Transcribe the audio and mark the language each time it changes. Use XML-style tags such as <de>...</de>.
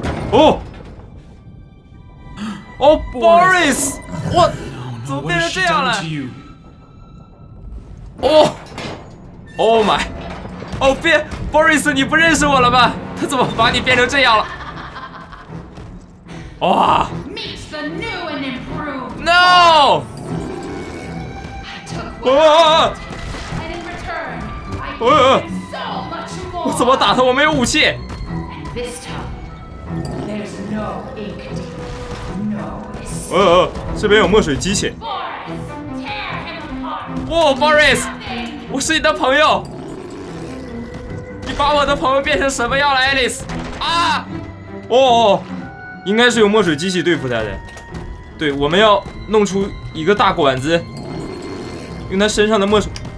<zh>哦，哦 ，Boris， 我怎么变成这样了？哦 ，</zh> <en>Oh my，</en> <zh>哦别。 Boris， 你不认识我了吗？他怎么把你变成这样了？哇</zh> <en>！Meet the new and improved. No. I took what I want. And in return, I gained so much more. And this time, there's no ink deal, no escape.</en> <zh>这边有墨水机器。</zh> <en>Boris, tear him apart.</en> <zh>哇 ，Boris， 我是你的朋友。把我的朋友变成什么样了 ，Alice？ 啊！哦，应该是有墨水机器对付他的。对，我们要弄出一个大管子，用他身上的墨水。</zh>